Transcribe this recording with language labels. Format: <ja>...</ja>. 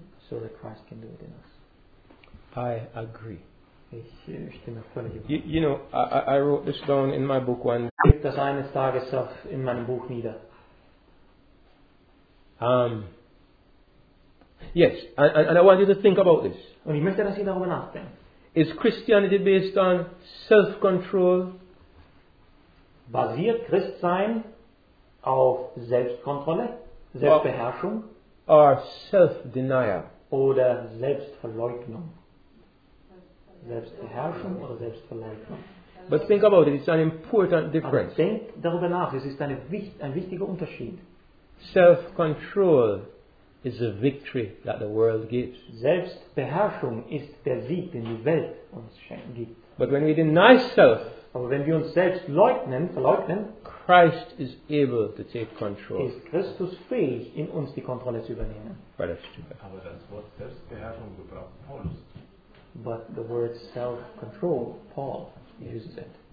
<en>So that Christ can do it in us. I agree. You know, I wrote this down in my book one day.</en> <de>Ich das eines Tages auf in meinem Buch nieder.</de> <en>Yes, and I want you to think about this.</en> <de>Und ich möchte, dass ihr darüber nachdenkt.</de> <en>Is Christianity based on self-control?</en> <de>Basiert Christsein auf Selbstkontrolle, Selbstbeherrschung?</de> <en>Or self-denial?</en> <de>Oder Selbstverleugnung? Selbstbeherrschung oder Selbstverleugnung?</de> <en>But think about it, it's an important difference.</en> <de>Aber denk darüber nach, es ist ein wichtiger Unterschied.</de> <en>Self-control is a victory that the world gives.</en> <de>Selbstbeherrschung ist der Sieg, den die Welt uns gibt.</de> <en>But when we deny self,</en> <de>aber wenn wir uns selbst leugnen, verleugnen,</de> <en>Christ is able to take control.</en> <de>Ist Christus fähig, in uns die Kontrolle zu übernehmen. Aber das Wort Selbstbeherrschung gebraucht Paulus.</de> <en>But the word self-control, Paul uses it.</en>